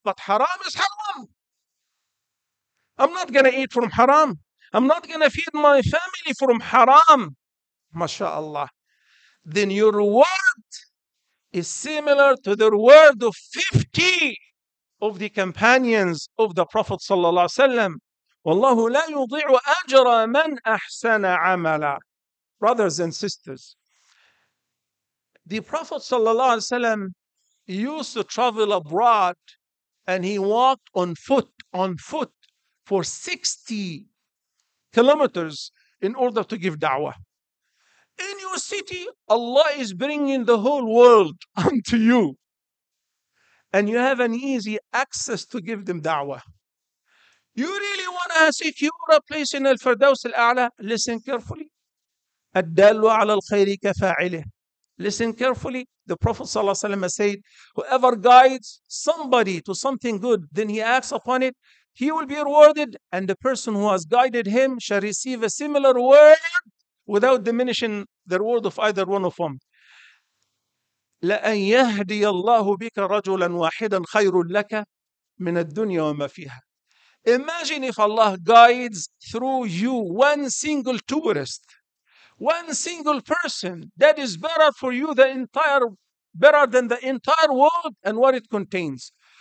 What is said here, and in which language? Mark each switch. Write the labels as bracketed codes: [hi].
[en] But haram is haram. I'm not going to eat from haram. I'm not going to feed my family from haram. MashaAllah. Then your reward is similar to the reward of 50 of the companions of the Prophet sallallahu alaihi wasallam. [ar] والله لا يضيع أجر من أحسن عملا. [en] Brothers and sisters, the Prophet sallallahu alaihi wasallam used to travel abroad, and he walked on foot for 60 kilometers in order to give da'wah. In your city, Allah is bringing the whole world unto you, and you have an easy access to give them da'wah. You really want to secure a place in Al-Firdaus Al-A'la? Listen carefully. [ar] الدال على الخير كفاعله. [en] Listen carefully. The Prophet sallallahu alaihi wasallam said, whoever guides somebody to something good, then he acts upon it, he will be rewarded, and the person who has guided him shall receive a similar reward without diminishing the reward of either one of them. [ar] لأن يهدي الله بك رجلا واحدا خير لك من الدنيا وما فيها. [en] Imagine if Allah guides through you one single tourist, one single person, that is better for you better than the entire world and what it contains.